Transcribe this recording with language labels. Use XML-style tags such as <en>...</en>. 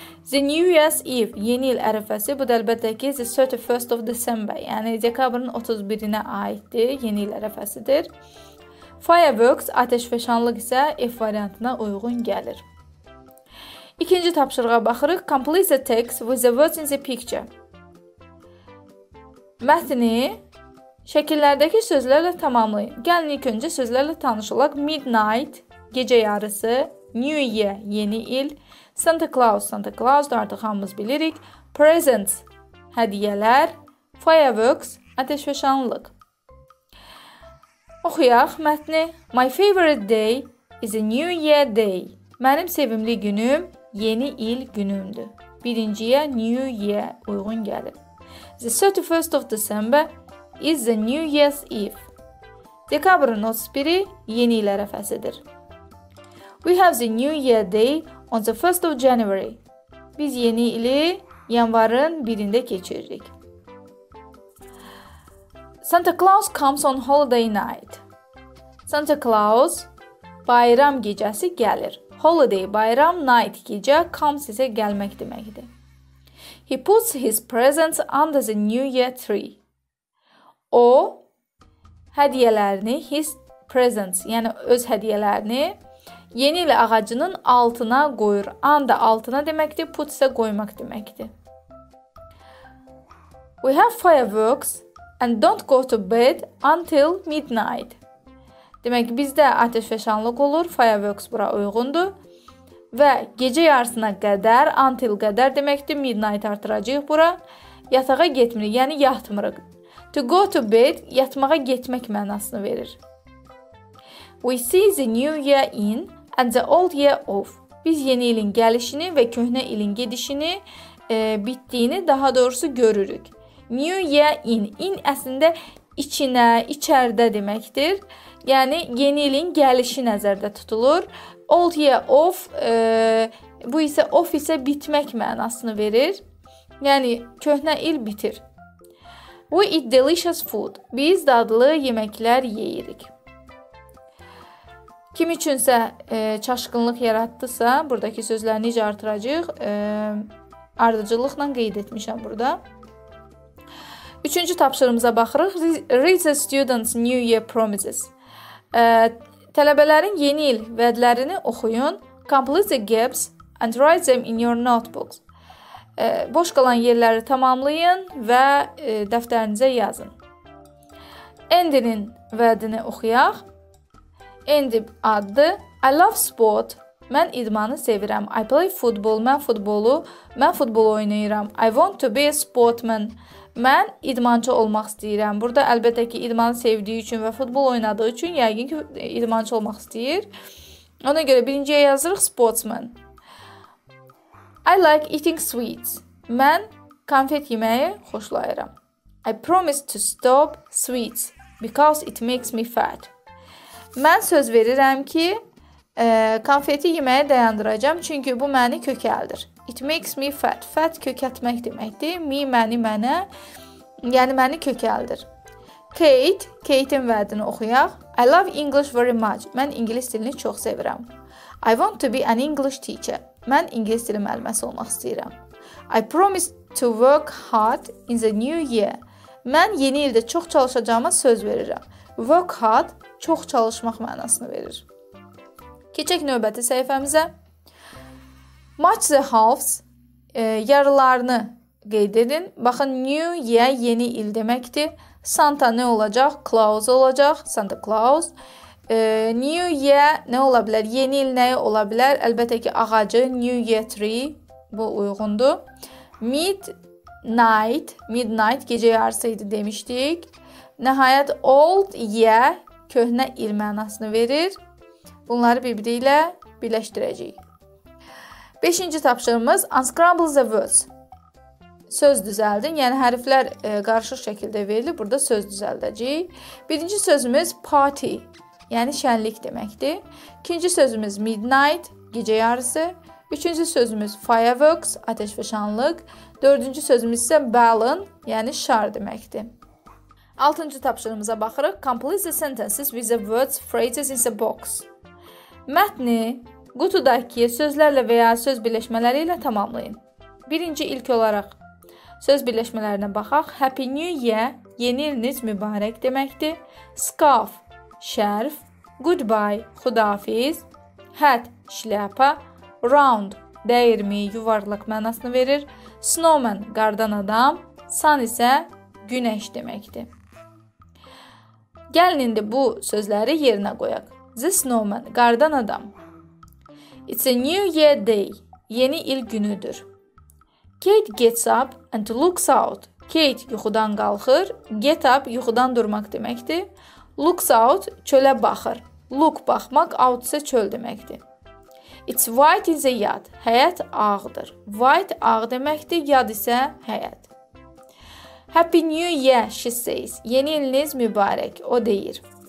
<en>The New Year's Eve,</en> <az>yeni il ərəfəsi, bu da əlbəttə ki,</az> <en>the 31st of December,</en> <az>yəni dekabrın 31-inə aiddir, yeni il ərəfəsidir. Fireworks, ateşfəşanlıq isə F variantına uyğun gəlir. İkinci tapşırığa baxırıq.</az> <en>Complete the text with the words in the picture.</en> <az>Mətni şəkillərdəki sözlərlə tamamlayın. Gəlin ilk öncə sözlərlə tanış olaq. Midnight, gecə yarısı. New Year, yeni il. Santa Claus, Santa Claus, artıq hamımız bilirik. Presents, hədiyələr. Fireworks, ateşfəşanlıq. Oxuyaq mətni.</az> <en>My favorite day is a New Year day.</en> <az>Mənim sevimli günüm yeni il günümdür. Birinciyə New Year uyğun gəlir.</az> <en>The 31st of December is the New Year's Eve.</en> <az>Dekabrın 31-i yeni il ərəfəsidir.</az> <en>We have the New Year Day on the 1st of January.</en> <az>Biz yeni ili yanvarın 1-də keçiririk.</az> <en>Santa Claus comes on holiday night.</en> <az>Santa Claus bayram gecəsi gəlir. Holiday bayram, night gecə, comes isə gəlmək deməkdir.</az> <en>He puts his presents under the New Year tree.</en> <az>O, hədiyələrini,</az> <en>his presents,</en> <az>yəni öz hədiyələrini yeni il ağacının altına qoyur. Anda altına deməkdir, put isə qoymaq deməkdir.</az> <en>We have fireworks and don't go to bed until midnight.</en> <az>Demək ki, bizdə ateşfəşanlıq olur, fireworks bura uyğundur. Və gecə yarısına qədər, until qədər deməkdir, midnight artıracaq bura. Yatağa getmirik, yəni yatmırıq.</az> <en>To go to bed,</en> <az>yatmağa getmək mənasını verir.</az> <en>We see the new year in and the old year off.</en> <az>Biz yeni ilin gəlişini və köhnə ilin gedişini, bitdiyini daha doğrusu görürük.</az> <en>New year in,</en> <az>in əslində içinə, içərdə deməkdir. Yəni, yeni ilin gəlişi nəzərdə tutulur.</az> <en>Old year off,</en> <az>bu isə off isə bitmək mənasını verir. Yəni, köhnə il bitir.</az> <en>We eat delicious food.</en> <az>Biz dadlı yeməklər yeyirik. Kim üçünsə çaşqınlıq yaratdısa, buradakı sözləri necə artıracaq? Ardıcılıqla qeyd etmişəm burada. Üçüncü tapşırımıza baxırıq.</az> <en>Read the students' New Year promises.</en> <az>Tələbələrin yeni il vədlərini oxuyun.</az> <en>Complete the gaps and write them in your notebooks.</en> <az>Boş qalan yerləri tamamlayın və dəftərinizə yazın. Andy-nin vədini oxuyaq. Andy addı.</az> <en>I love sport.</en> <az>Mən idmanı sevirəm.</az> <en>I play football.</en> <az>Mən futbol oynayıram.</az> <en>I want to be a sportman.</en> <az>Mən idmançı olmaq istəyirəm. Burada əlbəttə ki, idmanı sevdiyi üçün və futbol oynadığı üçün yəqin ki, idmançı olmaq istəyir. Ona görə birinciyə yazırıq sportsman.</az> <en>I like eating sweets.</en> <az>Mən konfet yeməyi xoşlayıram.</az> <en>I promise to stop sweets because it makes me fat.</en> <az>Mən söz verirəm ki, konfeti yeməyi dayandıracağım, çünki bu məni kökəldir.</az> <en>It makes me fat.</en> <az>Fat kökətmək deməkdir. Me, məni, mənə. Yəni, məni kökəldir. Kate, Kate-in vədini oxuyaq.</az> <en>I love English very much.</en> <az>Mən ingilis dilini çox sevirəm.</az> <en>I want to be an English teacher.</en> <az>Mən ingilis dili müəlliməsi olmaq istəyirəm.</az> <en>I promise to work hard in the new year.</en> <az>Mən yeni ildə çox çalışacağıma söz verirəm.</az> <en>Work hard</en> <az>çox çalışmaq mənasını verir. Keçək növbəti səhifəmizə.</az> <en>Match the halves,</en> <az>yarılarını qeyd edin. Baxın, new year yeni il deməkdir. Santa nə olacaq? Claus olacaq. Santa Claus. New year nə ola bilər? Yeni il nəyi ola bilər? Əlbəttə ki, ağacı, new year tree bu uyğundur. Midnight, midnight gecə yarısı idi demişdik. Nəhayət old year köhnə il mənasını verir. Bunları bir-biri ilə birləşdirəcəyik. 5-ci tapşırığımız</az> <en>unscramble the words.</en> <az>Söz düzəldin, yəni hərflər qarışıq şəkildə verilib, burada söz düzəldəcəyik. Birinci sözümüz party, yəni şənlik deməkdir. İkinci sözümüz midnight, gecə yarısı. Üçüncü sözümüz fireworks, ateşfəşanlıq. Dördüncü sözümüz isə balloon, yəni şar deməkdir. 6-cı tapşırığımıza baxırıq.</az> <en>Complete the sentences with the words, phrases in the box.</en> <az>Mətni qutudakı sözlərlə və ya söz birləşmələri ilə tamamlayın. Birinci ilk olaraq söz birləşmələrinə baxaq.</az> <en>Happy New Year,</en> <az>yeni iliniz mübarək deməkdir. Scarf, şərf. Goodbye, xudafiz. Hat, şləpa. Round, dəyirmi, yuvarlaq mənasını verir. Snowman, qardan adam. Sun isə günəş deməkdir. Gəlin indi bu sözləri yerinə qoyaq. The snowman, qardan adam.</az> <en>It's a new year day,</en> <az>yeni il günüdür.</az> <en>Kate gets up and looks out.</en> <az>Kate yuxudan qalxır. Get up yuxudan durmaq deməkdir. Looks out çölə baxır. Look baxmaq, out isə çöl deməkdir.</az> <en>It's white in the yard.</en> <az>Həyət ağdır. White ağ deməkdir, yad isə həyət.</az> <en>Happy New Year, she says.</en> <az>Yeni iliniz mübarək, o deyir.</az>